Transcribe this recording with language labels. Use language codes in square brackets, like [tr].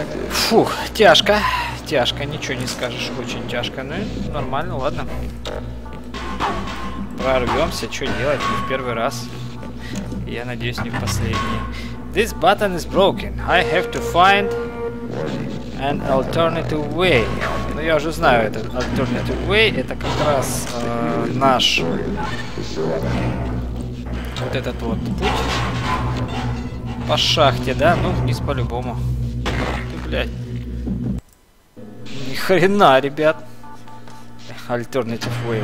[ru] Фух, тяжко. Тяжко, ничего не скажешь, очень тяжко. Ну и нормально, ладно. Прорвемся, что делать, не в первый раз. Я надеюсь, не в последний. [en] This button is broken. I have to find an alternative way. [ru] Ну я уже знаю, этот [en] alternative way, [ru] это как раз наш... Вот этот вот путь. По шахте, да? Ну, вниз по-любому. Ты, блядь. Хрена, ребят. [en] Alternative way.